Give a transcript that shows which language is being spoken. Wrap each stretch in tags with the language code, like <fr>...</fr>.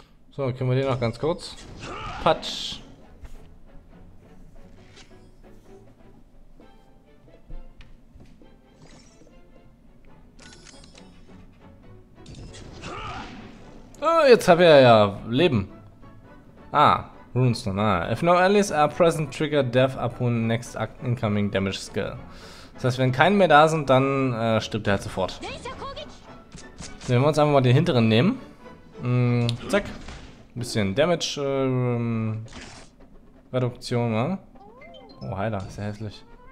<de>So, können wir den noch ganz kurz. Patsch. Oh, jetzt haben wir ja Leben. Ah, Runestone. Ah.</de> <en>If no allies are present, trigger death upon next incoming damage skill.</en> <de>Das heißt, wenn keine mehr da sind, dann stirbt er halt sofort. So, wenn wir uns einfach mal den hinteren nehmen. Zack. Bisschen Damage Reduktion, ne? Oh, Heiler, ist ja hässlich.</de>